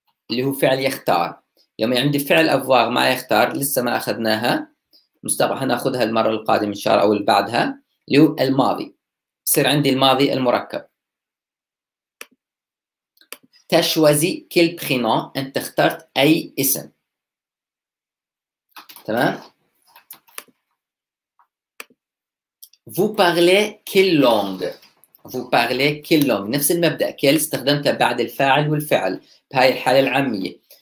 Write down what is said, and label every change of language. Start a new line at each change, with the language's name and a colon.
Arabic: اللي هو فعل يختار يعني عندي فعل أفوار ما يختار لسه ما أخذناها مستقبل هناخذها المرة القادمة إن شاء الله أو اللي بعدها اللي هو الماضي بصير عندي الماضي المركب
French: T'as choisi quel prénom?
Arabic: أنت اخترت أي اسم. تمام؟
French: Vous parlez quelle langue? Vous parlez quelle langue?
Arabic: نفس المبدأ quel استخدمته بعد الفاعل والفعل بهاي الحالة العامية.